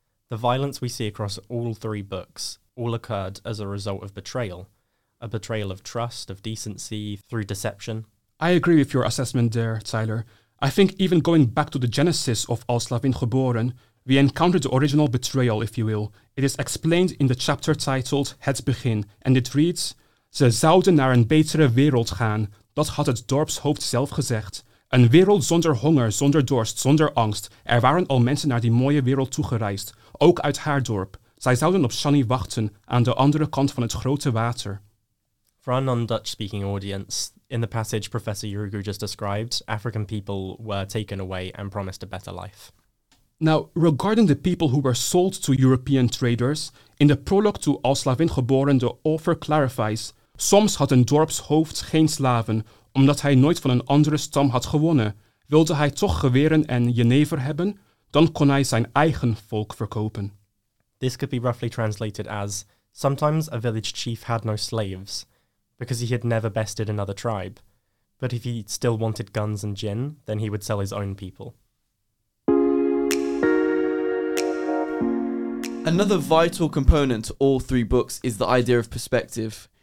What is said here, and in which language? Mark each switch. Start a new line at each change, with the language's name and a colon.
English: The violence we see across all three books all occurred as a result of betrayal, a betrayal of trust, of decency, through deception. I agree with your assessment there, Tyler. I think even going back to the genesis of Elslav in Geboren, we encountered the original betrayal, if you will. It is explained in the chapter titled Het Begin, and it reads,
Dutch: Ze zouden naar een betere wereld gaan, dat had het dorpshoofd zelf gezegd. Een wereld zonder honger, zonder dorst, zonder angst. Er waren al mensen naar die mooie wereld toegereisd, ook uit haar dorp. Zij zouden op Shani wachten, aan de andere kant van het grote water.
English: For our non-Dutch-speaking audience, in the passage Professor Yurugu just described, African people were taken away and promised a better life. Now, regarding the people who were sold to European traders, in the prologue to Elslav in Geboren, the author clarifies,
Dutch: Soms had een dorpshoofd geen slaven, omdat hij nooit van een andere stam had gewonnen. Wilde hij toch geweren en jenever hebben, dan kon hij zijn eigen volk verkopen.
English: This could be roughly translated as, Sometimes a village chief had no slaves, because he had never bested another tribe. But if he still wanted guns and gin, then he would sell his own people. Another vital component to all three books is the idea of perspective.